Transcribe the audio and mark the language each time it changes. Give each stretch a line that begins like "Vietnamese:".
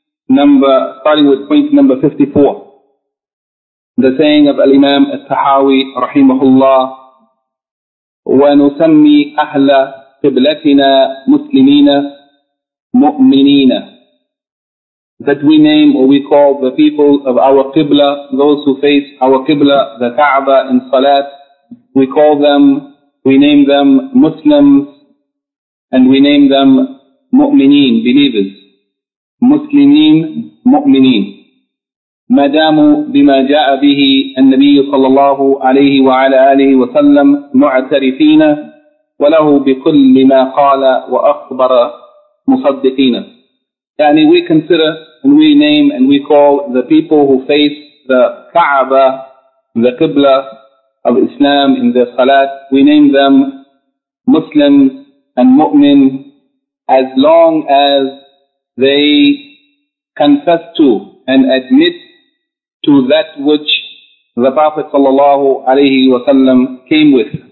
English: Starting with point number 54, the saying of Al-Imam Al-Tahawi Rahimahullah,
Arabic: ونسمي أهل قبلتنا مسلمين مؤمنين,
English: that we name or we call the people of our qibla, those who face our qibla, the Kaaba in salat, we call them, we name them Muslims, and we name them مؤمنين, believers.
Arabic: مسلمين مؤمنين ما داموا بما جاء به النبي صلى الله عليه وعلى آله وسلم معترفين وله بكل ما قال وأخبر مصدقين.
English: يعني we consider and we name and we call the people who face the Kaaba, the Qibla of Islam in their Salat, we name them Muslims and Mu'min as long as they confess to and admit to that which the Prophet sallallahu alayhi wa sallam came with,